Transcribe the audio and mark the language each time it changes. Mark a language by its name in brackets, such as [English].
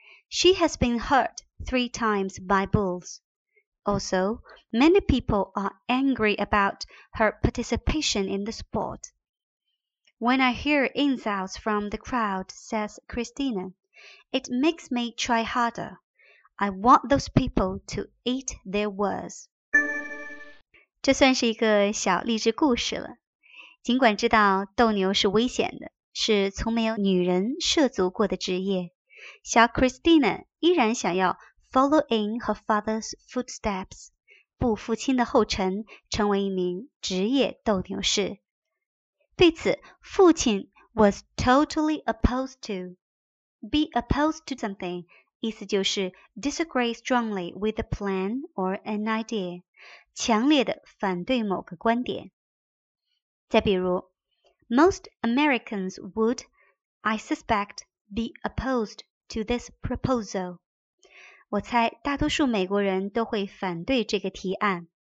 [English] She has been hurt 3 times by bulls. Also, many people are angry about her participation in the sport. When I hear insults from the crowd, says Christina, it makes me try harder. I want those people to eat their words. [Chinese] 这算是一个小励志故事了。尽管知道斗牛是危险的，是从没有女人涉足过的职业，小 Christina 依然想要 [English] follow in her father's footsteps, [Chinese] 步父亲的后尘，成为一名职业斗牛士。对此，父亲 [English] was totally opposed to. Be opposed to something. [Chinese] 意思就是 [English] disagree strongly with a plan or an idea, [Chinese] 强烈的反对某个观点。再比如， [English] Most Americans would, I suspect, be opposed to this proposal. [Chinese] 我猜大多数美国人都会反对这个提案。